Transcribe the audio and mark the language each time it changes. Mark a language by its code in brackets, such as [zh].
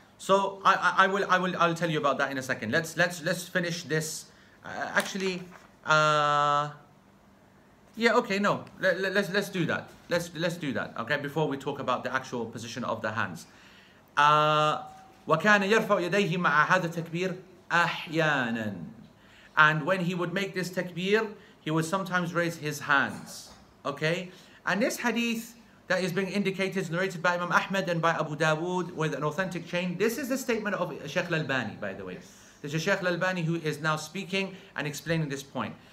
[en] So I'll tell you about that in a second. Let's finish this. Let's do that. Let's do that. Okay. Before we talk about the actual position of the hands. [ar] وَكَانَ يَرْفَعُ يَدَيْهِ مَعَ هَذَا التَّكْبِيرِ أَحْيَانًا. [en] And when he would make this takbir, he would sometimes raise his hands. Okay? And this hadith that is being indicated is narrated by Imam Ahmed and by Abu Dawood with an authentic chain. This is the statement of Sheikh Al-Albani, by the way. This is Sheikh Al-Albani who is now speaking and explaining this point.